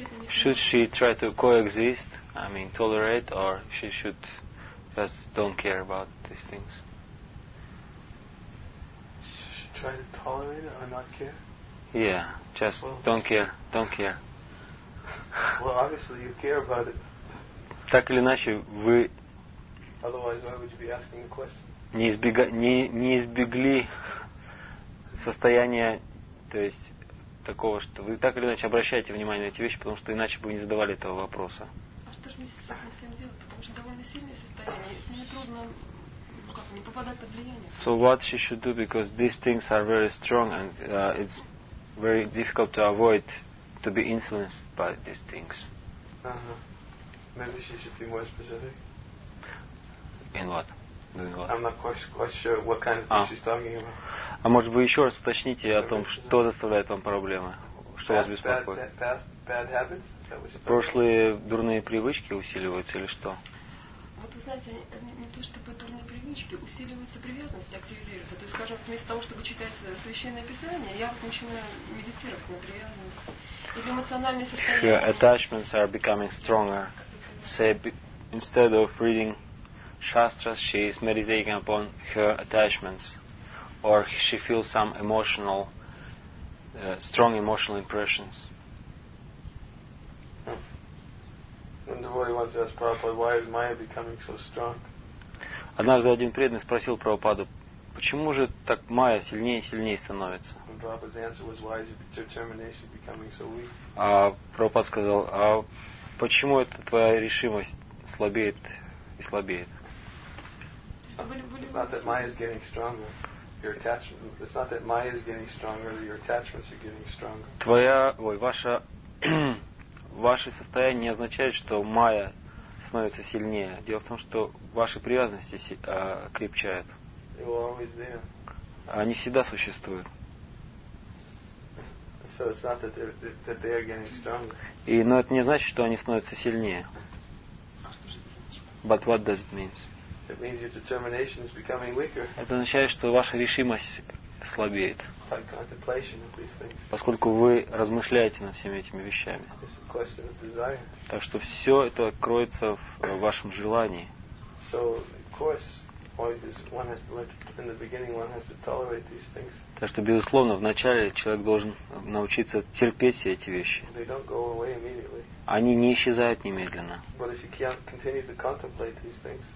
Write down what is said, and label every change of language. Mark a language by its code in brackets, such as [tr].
[en] Should she try to coexist, tolerate, or she should just don't care about these things? Should try to tolerate it or not care? Yeah, just don't care. Well, obviously you care about it. [ru] Так или иначе, вы... [en] Otherwise, why would you be asking the question? [ru] Не избегли состояния, то есть такого, что вы так или иначе обращаете внимание на эти вещи, потому что иначе бы вы не задавали этого вопроса. А что же мне с этим всем делать? Потому что довольно сильное состояние, если мне трудно, не попадать под влияние. [en] So what she should do, because these things are very strong and it's very difficult to avoid to be influenced by these things. Maybe she should be more specific. In what? I'm not quite sure what kind of thing she's talking about. [ru] А может вы еще раз уточните о том, что доставляет вам проблемы, что вас беспокоит? [en] Bad habits? [ru] Прошлые дурные привычки усиливаются или что? Вот вы знаете, не то чтобы дурные привычки, усиливаются привязанности, активизируются. То есть, скажем, вместо того, чтобы читать священное писание, я вот начинаю медитировать на привязанность. Или эмоциональные состояния. [en] Your attachments are becoming stronger. Say, instead of reading Shastras, she is meditating upon her attachments, or she feels some emotional, strong emotional impressions. When the devotee wants to ask Prabhupada, why is Maya becoming so strong? [ru] Однажды один преданный спросил Прабхупаду, почему же так Майя сильнее и сильнее становится? [en] And Prabhupada's answer was, why is your determination becoming so weak? [ru] А Прабхупад сказал, а почему это твоя решимость слабеет и слабеет? [en] It's not that Maya is getting stronger. Your attachment. It's not that Maya is getting stronger. Your attachments are getting stronger. [ru] Ваше состояние не означает, что Maya становится сильнее. Дело в том, что ваши привязанности крепчают. [en] They were always there. [ru] Они всегда существуют. [en] So it's not that they are getting stronger. [ru] Но это не значит, что они становятся сильнее. [en] But what does it mean? It means your determination is becoming weaker. [ru] Это означает, что ваша решимость слабеет. [en] By contemplation of these things. [ru] Поскольку вы размышляете над всеми этими вещами. [en] It's a question of desire. [ru] Так что все это кроется в вашем желании. [en] So, of course, one has to learn in the beginning, one has to tolerate these things. [ru] Так что, безусловно, вначале человек должен научиться терпеть все эти вещи. [en] They don't go away immediately. [ru] Они не исчезают немедленно. [en] But if you can't continue to contemplate these things.